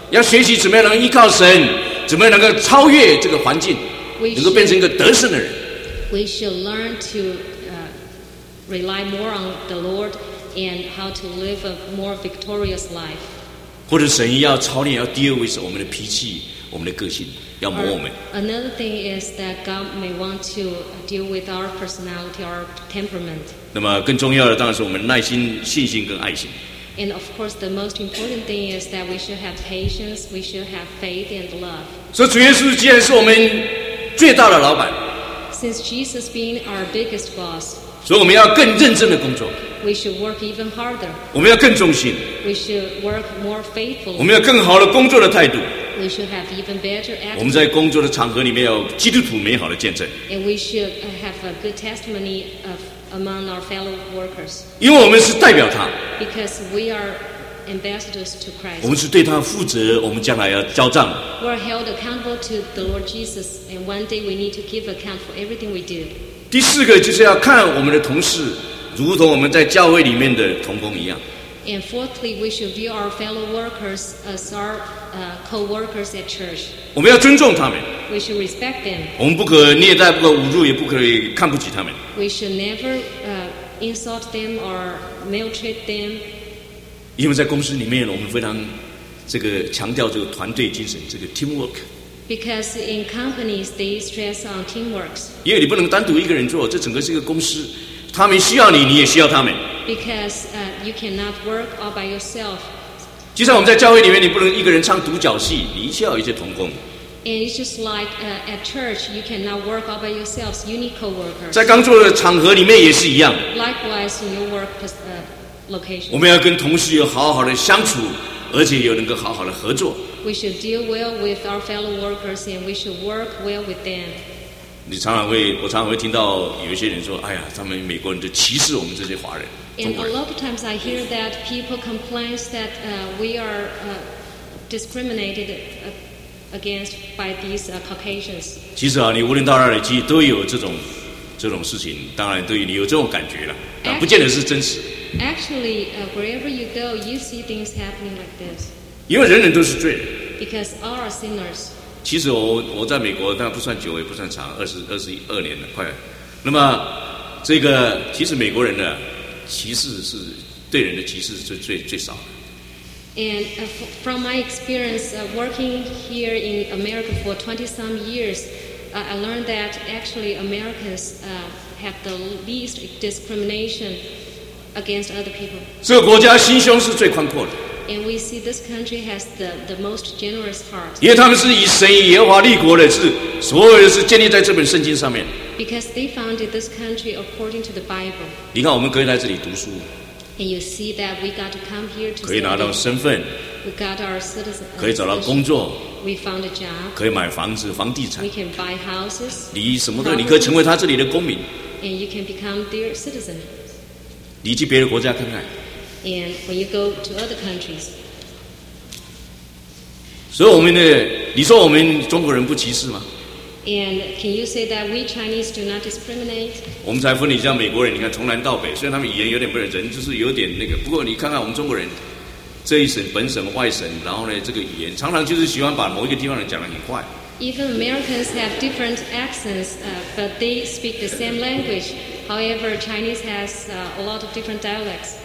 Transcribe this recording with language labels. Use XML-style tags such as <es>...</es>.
<zh>要学习怎么样能依靠神，怎么样能够超越这个环境，能够变成一个得胜的人。</zh> <en>We should learn to rely more on the Lord and how to live a more victorious life.</en> <zh>或者神要操练，要</zh> <en>deal with</en> <zh>我们的脾气。我们的个性要磨我们。</zh> <en>Another thing is that God may want to deal with our personality, our temperament.</en> <zh>那么更重要的当然是我们耐心、信心跟爱心。</zh> <en>And of course, the most important thing is that we should have patience, we should have faith and love.</en> <zh>所以主耶稣既然是我们最大的老板</zh> <en>，since Jesus being our biggest boss，</en> <zh>所以我们要更认真的工作。</zh> <en>We should work even harder.</en> <zh>我们要更忠心。</zh> <en>We should work more faithfully.</en> <zh>我们要更好的工作的态度。</zh> <en>We should have even better attitude.</en> <zh>我们在工作的场合里面有基督徒美好的见证。</zh> <en>And we should have a good testimony of among our fellow workers.</en> <zh>因为我们是代表他。</zh> <en>Because we are ambassadors to Christ.</en> <zh>我们是对他负责，我们将来要交账。</zh> <en>We are held accountable to the Lord Jesus, and one day we need to give account for everything we did.</en> <zh>第四个就是要看我们的同事，如同我们在教会里面的同工一样。</zh> <en>And fourthly, we should view our fellow workers as our co-workers at church.</en> <zh>我们要尊重他们。</zh> <en>We should respect them.</en> <zh>我们不可虐待，不可侮辱，也不可以看不起他们。</zh> <en>We should never insult them or maltreat them.</en> <zh>因为在公司里面，我们非常这个强调这个团队精神，这个 teamwork.</zh> <en>Because in companies, they stress on teamworks.</en> <zh>因为你不能单独一个人做，这整个是一个公司。他们需要你，你也需要他们。</zh> <en>Because you cannot work all by yourself.</en> <zh>就像我们在教会里面，你不能一个人唱独角戏，你需要一些同工。</zh> <en>And it's just like at church, you cannot work all by yourselves. You need co-workers.</en> <zh>在工作的场合里面也是一样。</zh> <en>Likewise, in your work location.</en> <zh>我们要跟同事有好好的相处，而且有能够好好的合作。</zh> <en>We should deal well with our fellow workers and we should work well with them.</en> <zh>你常常会，我常常会听到有些人说，哎呀，他们美国人就歧视我们这些华人。</zh> <en>And a lot of times I hear that people complain that we are discriminated against by these Caucasians.</en> <zh>其实啊，你无论到哪里去，都有这种事情，当然对于你有这种感觉了，但不见得是真实。</zh> <en>Actually, wherever you go, you see things happening like this.</en> <zh>因为人人都是罪人。</zh> <en>Because all are sinners.</en> <zh>其实我在美国，但不算久，也不算长，二十二年了，快了。那么这个其实美国人呢？歧视是对人的歧视是最少的。</zh> <en>And from my experience working here in America for 20 some years, I learned that actually Americans have the least discrimination against other people.</en> <zh>这个国家心胸是最宽阔的。</zh> <en>And we see this country has the most generous heart.</en> <zh>因为他们是以神以耶和华立国的，是所有的是建立在这本圣经上面。</zh> <en>Because they founded this country according to the Bible.</en> <zh>你看，我们可以来这里读书。</zh> <en>And you see that we got to come here to.</en> <zh>可以拿到身份。</zh> <en>We got our citizen.</en> <zh>可以找到工作。</zh> <en>We found a job.</en> <zh>可以买房子、房地产。</zh> <en>We can buy houses.</en> <zh>你什么都，你可以成为他这里的公民。</zh> <en>And you can become their citizen.</en> <zh>你去别的国家看看。</zh> <en>And when you go to other countries.</en> <zh>所以我们的，你说我们中国人不歧视吗？</zh> <en>And can you say that we Chinese do not discriminate?</en> <zh>我们才分你像美国人，你看从南到北，虽然他们语言有点不人，就是有点那个。不过你看看我们中国人，这一省、本省、外省，然后呢，这个语言常常就是喜欢把某一个地方人讲得很快。</zh> <en>Even Americans have different accents, but they speak the same language. However, Chinese has a lot of different dialects.</en>